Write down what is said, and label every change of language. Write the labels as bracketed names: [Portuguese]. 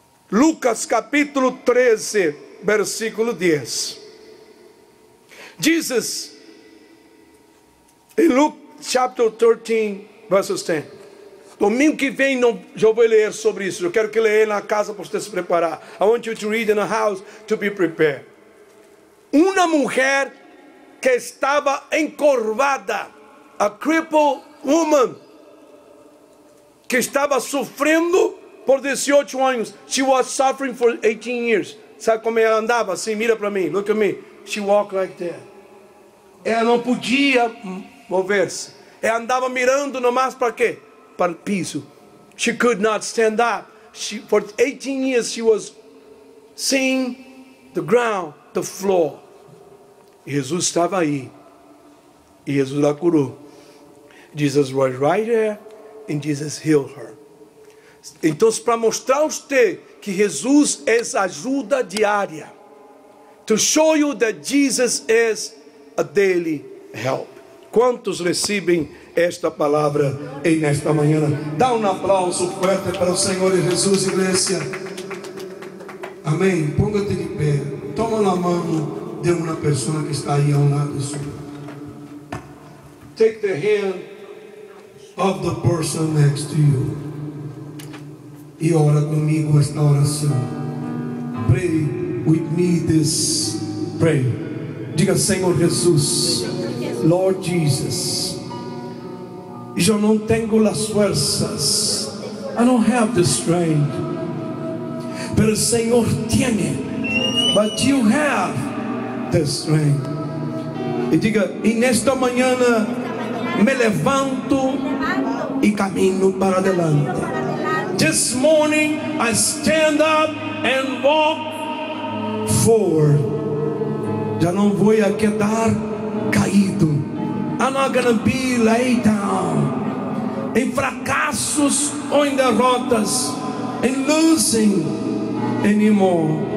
[Portuguese] Lucas capítulo 13, versículo 10. Jesus, em [English] Luke chapter [Portuguese] 13, versículo 10. Domingo que vem eu vou ler sobre isso. Eu quero que leia na casa para você se preparar. [English] I want you to read in the house to be prepared. [Portuguese] Uma mulher que estava encorvada, [English] a crippled woman, [Portuguese] que estava sofrendo por 18 anos, [English] she was suffering for 18 years. [Portuguese] Sabe como ela andava? Assim, mira para mim, [English] look at me. She walked like that. [Portuguese] Ela não podia mover-se. Ela andava mirando nomás para quê? Para o piso. [English] She could not stand up. She, for 18 years she was seeing the ground, the floor. [Portuguese] Jesus estava aí. E Jesus a curou. [English] Jesus was right there and Jesus healed her. [Portuguese] Então, para mostrar a você que Jesus é ajuda diária. [English] To show you that Jesus is a daily help. [Portuguese] Quantos recebem esta palavra em esta manhã? Dá um aplauso forte para o Senhor Jesus, igreja. Amém. Ponga-te de pé. Toma na mão de uma pessoa que está aí ao lado seu. [English] Take the hand of the person next to you. [Portuguese] E ora comigo esta oração. [English] Pray with me this prayer. [Portuguese] Diga: Senhor Jesus, [English] Lord Jesus, eu não tenho as forças, I don't have the strength, [Portuguese] mas o Senhor tem, [English] but you have the strength. [Portuguese] E diga: e nesta manhã me levanto e caminho para adelante. [English] This morning I stand up and walk forward. [Portuguese] Já não vou quedar caído. [English] I'm not gonna be laid down. [Portuguese] Em fracassos ou em derrotas. [English] In losing anymore.